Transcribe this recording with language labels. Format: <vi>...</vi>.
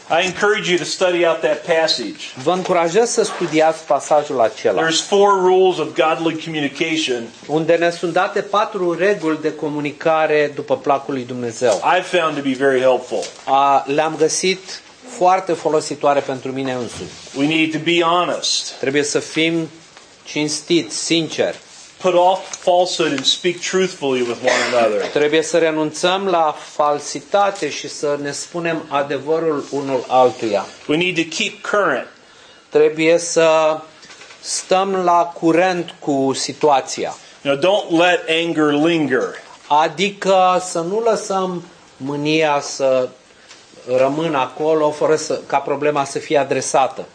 <en>I encourage you to study out that passage.</en> <ro>Vă încurajez să studiați pasajul acela.</ro> <en>There's four rules of godly communication.</en> <ro>Unde ne sunt date patru reguli de comunicare după placul lui Dumnezeu.</ro> <en>I found to be very helpful.</en> <ro>Le-am găsit foarte folositoare pentru mine însumi.</ro> <en>We need to be honest.</en> <ro>Trebuie să fim cinstiți, sinceri.</ro> <en>Put off falsehood and speak truthfully with one another.</en> <ro>Trebuie să renunțăm la falsitate și să ne spunem adevărul unul altuia.</ro> <en>We need to keep current.</en> <ro>Trebuie să stăm la curent cu situația.</ro> <en>Now don't let anger linger.</en> <ro>Adică să nu lăsăm mânia să rămână acolo fără să, ca problema să fie adresată.</ro>